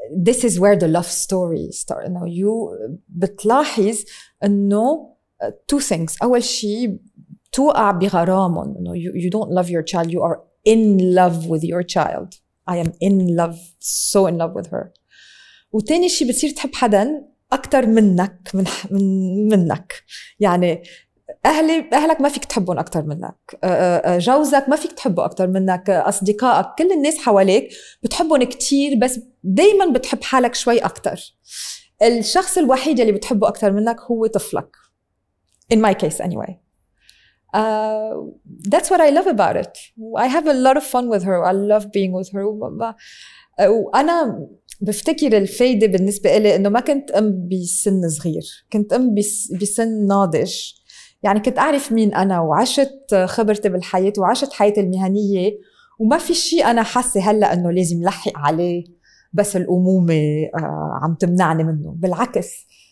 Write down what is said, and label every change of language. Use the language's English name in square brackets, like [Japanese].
[English] This is where the love story starts. Now you [Arabic] بتلاحظ انه [English] two things. [Arabic] اول شيء توقع بغرامهم. [English] No, you don't love your child. You are in love with your child. I am in love, so in love with her. [Arabic] وتاني شي بتصير تحب حدا أكتر منك منك. يعني أهلك ما فيك تحبهم أكتر منك، جوزك ما فيك تحبه أكتر منك، أصدقائك، كل الناس حواليك بتحبهم كتير، بس دايما بتحب حالك شوي أكتر. الشخص الوحيد اللي بتحبه أكتر منك هو طفلك. [English] In my case anyway. That's what I love about it. I have a lot of fun with her. I love being with her. [Arabic] وأنا بفتكر الفايدة بالنسبة إلي إنه ما كنت أم بسن صغير، كنت أم بسن ناضج. يعني كنت أعرف مين أنا وعشت خبرتي بالحياة وعشت حياة المهنية، وما في شيء أنا حاسة هلأ إنه لازم لحق عليه بس الأمومة عم تمنعني منه. بالعكس